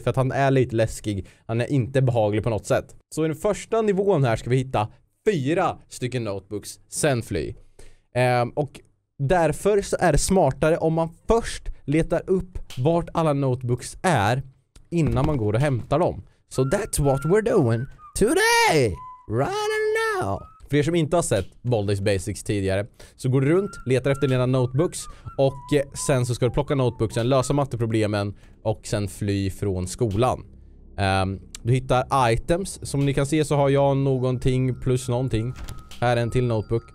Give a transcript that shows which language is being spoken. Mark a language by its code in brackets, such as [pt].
[sv] För att han är lite läskig. Han är inte behaglig på något sätt. Så i den första nivån här ska vi hitta 4 stycken notebooks. Sen fly. Och därför så är det smartare om man först letar upp vart alla notebooks är. Innan man går och hämtar dem. [en] So that's what we're doing today. Right now. [sv] För er som inte har sett Baldi's Basics tidigare, så går du runt, letar efter dina notebooks, och sen så ska du plocka notebooksen, lösa matteproblemen och sen fly från skolan. Du hittar items. Som ni kan se så har jag någonting plus någonting. Här är en till notebook.